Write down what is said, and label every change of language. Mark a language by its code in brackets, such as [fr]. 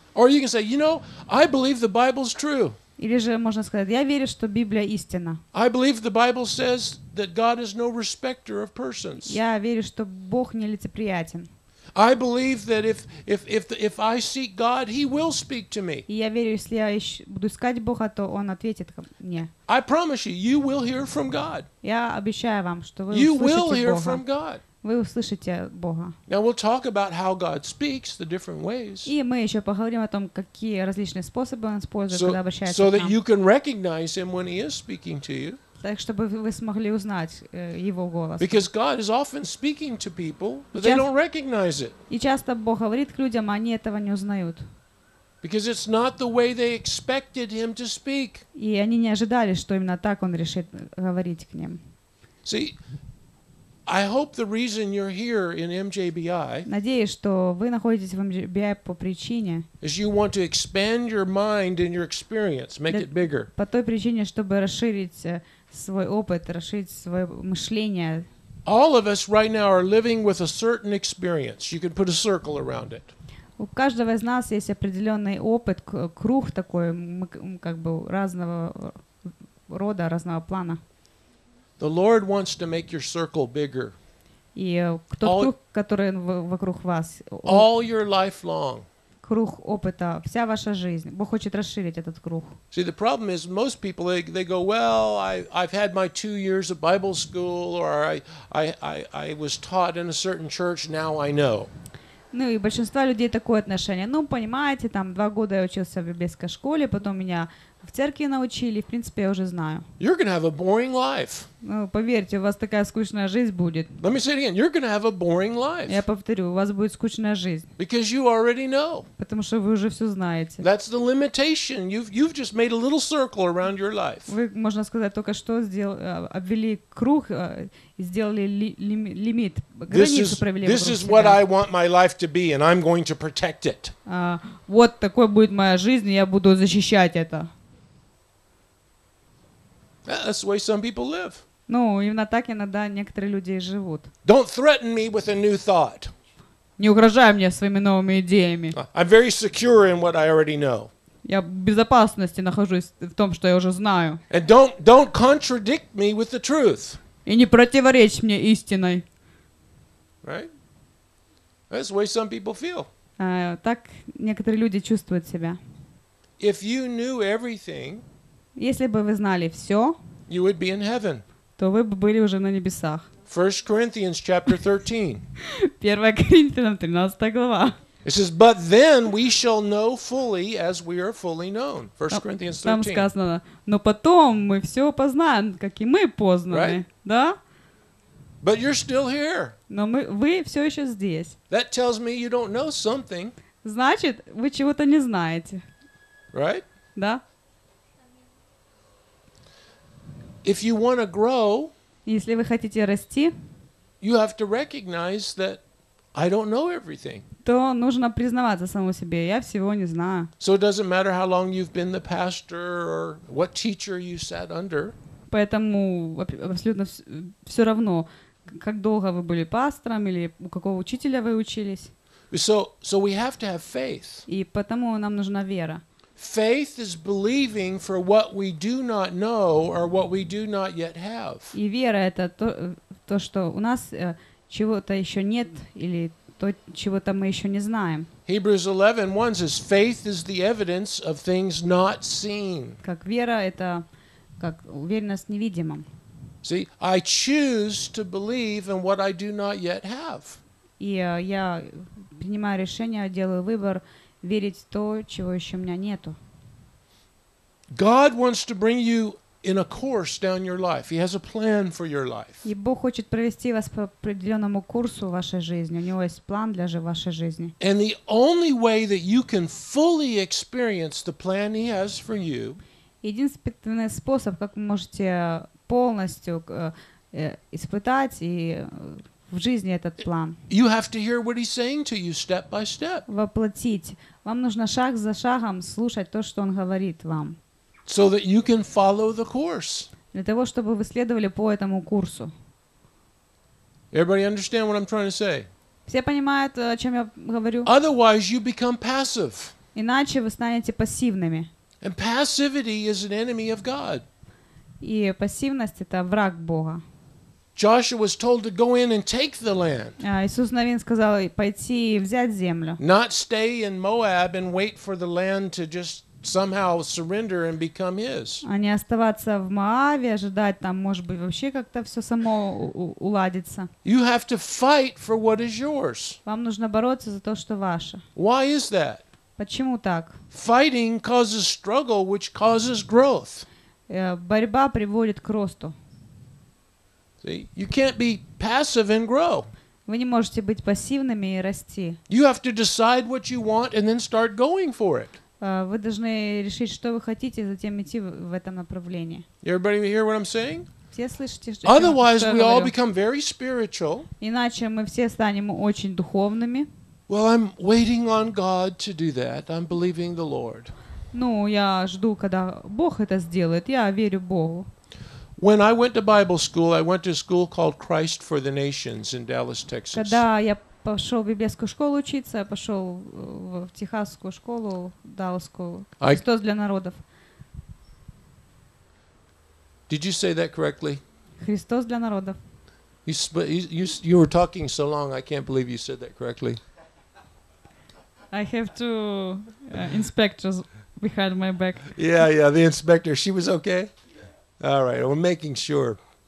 [en] Or you can say, you know, I believe the Bible's true. [ru] Или же можно сказать, я верю, что Библия истина. [en] I believe the Bible says that God is no respecter of persons. [ru] Я верю, что Бог не лицеприятен. [en] I believe that if I seek God, He will speak to me. [ru] Я верю, если я буду искать Бога, то он ответит мне. [en] I promise you, you will hear from God. [ru] Я обещаю вам, что вы услышите Бога. [en] You will hear from God. [ru] Вы услышите Бога. [en] Now we'll talk about how God speaks, the different ways. [ru] И мы еще поговорим о том, какие различные способы он использует, [en] so, [ru] когда обращается к нам. [en] So that you can recognize Him when He is speaking to you. [ru] Так, чтобы вы смогли узнать его голос. [en] Because God is often speaking to people, but they don't recognize it. [ru] И часто Бог говорит к людям, а они этого не узнают. [en] Because it's not the way they expected Him to speak. [ru] И они не ожидали, что именно так Он решит говорить к ним. [en] See, I hope the reason you're here in MJBI. [ru] Надеюсь, что вы находитесь в MJBI по причине. [en] Is you want to expand your mind and your experience, make it bigger. [ru] По той причине, чтобы расширить свой опыт, расширить свое мышление. [en] All of us right now are living with a certain experience. You can put a circle around it. [ru] У каждого из нас есть определенный опыт, круг такой, как бы разного рода, разного плана. [en] The Lord wants to make your circle bigger. [ru] И тот круг, который вокруг вас. [en] All your life long. [ru] Круг опыта, вся ваша жизнь. Бог хочет расширить этот круг. [en] See, the problem is most people they go, well, I've had my 2 years of Bible school, or I was taught in a certain church, now I know. [ru] Ну и большинство людей такое отношение. Ну, понимаете, там 2 года я учился в библейской школе, потом меня в церкви научили, в принципе, я уже знаю. [en] You're gonna have a boring life. [ru] Ну, поверьте, у вас такая скучная жизнь будет. [en] Let me say it again. You're gonna have a boring life. [ru] Я повторю, у вас будет скучная жизнь. [en] Because you already know. [ru] Потому что вы уже все знаете. [en] That's the limitation. You've just made a little circle around your life. [ru] Вы, можно сказать, только что обвели круг и сделали лимит, границу провели. [en] This is what I want my life to be, and I'm going to protect it. [ru] Вот такой будет моя жизнь, и я буду защищать это. [en] That's the way some people live. [ru] Ну, именно так иногда некоторые люди и живут. [en] Don't threaten me with a new thought. [ru] Не угрожай мне своими новыми идеями. [en] I'm very secure in what I already know. [ru] Я в безопасности нахожусь в том, что я уже знаю. [en] And don't contradict me with the truth. [ru] И не противоречь мне истиной. [en] Right? That's the way some people feel. [ru] Так некоторые люди чувствуют себя. [en] If you knew everything, [ru] если бы вы знали все, [en] you would be in heaven. [ru] То вы бы были уже на небесах. [en] 1 Corinthians chapter 13. [ru] 1 Коринфянам 13 глава. [en] It says, but then we shall know fully as we are fully known. 1 Corinthians 13. [ru] Там сказано, но потом мы все познаем, как и мы познаны. [en] Right? [ru] Да? [en] But you're still here. [ru] Но вы все еще здесь. [en] That tells me you don't know something. [ru] Значит, вы чего-то не знаете. [en] Right? [ru] Да. [en] If you want to grow, [ru] если вы хотите расти, [en] you have to recognize that I don't know everything. [ru] То нужно признаваться самому себе, я всего не знаю. [en] So it doesn't matter how long you've been the pastor or what teacher you sat under. [ru] Поэтому абсолютно все равно, как долго вы были пастором или у какого учителя вы учились. [en] So we have to have faith. [ru] И потому нам нужна вера. [en] Faith is believing for what we do not know or what we do not yet have. [ru] И вера это то, что у нас чего-то еще нет или то, чего-то мы еще не знаем. [en] Hebrews 11:1 says faith is the evidence of things not seen. [ru] Как вера это как уверенность невидимом. [en] See, I choose to believe in what I do not yet have. [ru] И я принимаю решение, делаю выбор верить в то, чего еще у меня нету. [en] God wants to bring you in a course down your life. He has a plan for your life. [ru] И Бог хочет провести вас по определенному курсу вашей жизни. У него есть план для вашей жизни. [en] And the only way that you can fully experience the plan He has for you. [ru] Единственный способ, как вы можете полностью испытать и в жизни этот план. [en] You have to hear what He's saying to you step by step. [ru] Воплотить. Вам нужно шаг за шагом слушать то, что Он говорит вам. [en] So that you can follow the course. [ru] Для того, чтобы вы следовали по этому курсу. [en] Everybody understand what I'm trying to say? [ru] Все понимают, о чем я говорю? [en] Otherwise, you become passive. [ru] Иначе вы станете пассивными. [en] And passivity is an enemy of God. [ru] И пассивность это враг Бога. [en] Joshua was told to go in and take the land. [ru] Иисус Навин сказал пойти и взять землю. [en] Not stay in Moab and wait for the land to just somehow surrender and become his. [ru] А не оставаться в Моаве, ожидать там, может быть, вообще как-то все само уладится. [en] You have to fight for what is yours. [ru] Вам нужно бороться за то, что ваше. [en] Why is that? [ru] Почему так? [en] Fighting causes struggle, which causes growth. [ru] Борьба приводит к росту. [en] See, you can't be passive and grow. [ru] Вы не можете быть пассивными и расти. [en] You have to decide what you want and then start going for it. [ru] Вы должны решить, что вы хотите, и затем идти в этом направлении. [en] Everybody hear what I'm saying? [ru] Все слышите, что [en] Otherwise, [ru] что [en] we all become very spiritual. [ru] Иначе мы все станем очень духовными. [en] Well, I'm waiting on God to do that. I'm believing the Lord. [ru] Ну, я жду, когда Бог это сделает. Я верю Богу. [en] When I went to Bible school, I went to a school called Christ for the Nations in Dallas, Texas. [ru] Когда я пошел в библейскую школу учиться, я пошел в техасскую школу, далласскую, Христос для народов. [en] Did you say that correctly? [ru] Христос для народов. [en] You were talking so long, I can't believe you said that correctly. I have two inspectors behind my back. Yeah, the inspector, she was okay? All right, we're making sure.